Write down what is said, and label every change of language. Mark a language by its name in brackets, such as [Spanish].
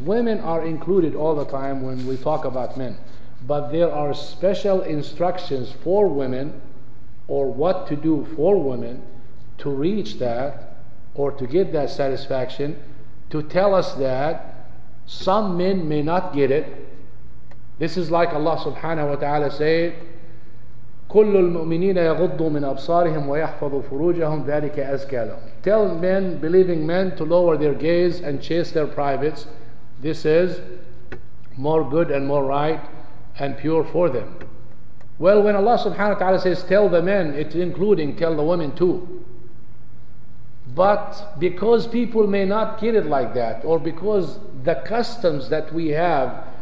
[English] Women are included all the time when we talk about men, but there are special instructions for women, or what to do for women to reach that or to get that satisfaction, to tell us that some men may not get it. This is like Allah subhanahu wa ta'ala said, [Arabic] كُلُّ الْمُؤْمِنِينَ يَغُضُّوا مِنْ أَبْصَارِهِمْ وَيَحْفَظُوا فُرُوجَهُمْ ذَلِكَ أَزْكَى لَهُمْ. [English] Tell men, believing men, to lower their gaze and chase their privates. This is more good and more right and pure for them. Well, when Allah subhanahu wa ta'ala says, tell the men, it's including tell the women too. But because people may not get it like that, or because the customs that we have,